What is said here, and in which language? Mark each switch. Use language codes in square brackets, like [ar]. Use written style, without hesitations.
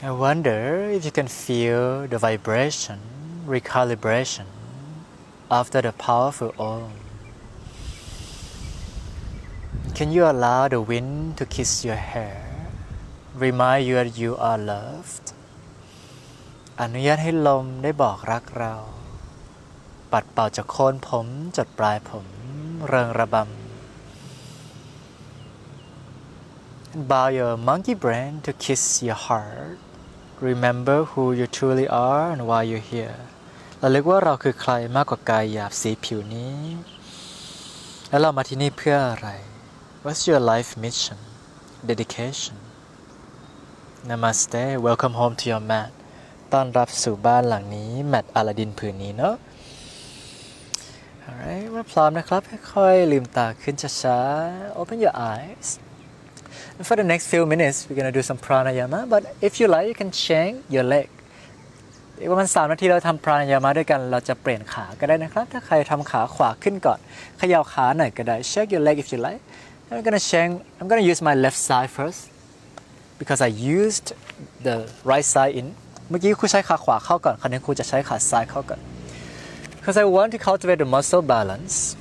[en] wonder if you can feel the vibration, recalibration after the powerful Om. Can you allow the wind to kiss your hair? Remind you that you are loved. [th] อนุญาตให้ลมได้บอกรักเราปัดเป่าจากโคนผมจดปลายผมเริงระบำ [en] And bow your monkey brain to kiss your heartRemember who you truly are and why you're here. [th] ระลึกว่าเราคือใครมากกว่ากายหยาบสีผิวนี้และเรามาที่นี่เพื่ออะไร [en] What's your life mission? Dedication. Namaste. Welcome home to your mat. [th] ต้อนรับสู่บ้านหลังนี้แมตอาลาดินผืนนี้เนาะ [en] All right. [th] เมื่อพร้อมนะครับค่อยๆลืมตาขึ้นช้าๆ [en] Open your eyes. For the next few minutes, we're going to do some pranayama. But if you like, you can change your leg. [th] อีกประมาณ3นาทีเราทำ pranayama ด้วยกันเราจะเปลี่ยนขาก็ได้นะครับถ้าใครทำขาขวาขึ้นก่อนเขย่าขาหน่อยก็ได้ [en] Shake your leg if you like. I'm going to use my left side first because I used the right side in. [th] เมื่อกี้ครูใช้ขาขวาเข้าก่อนคราวนี้ครูจะใช้ขาซ้ายเข้าก่อน [en] Because I want to cultivate the muscle balance.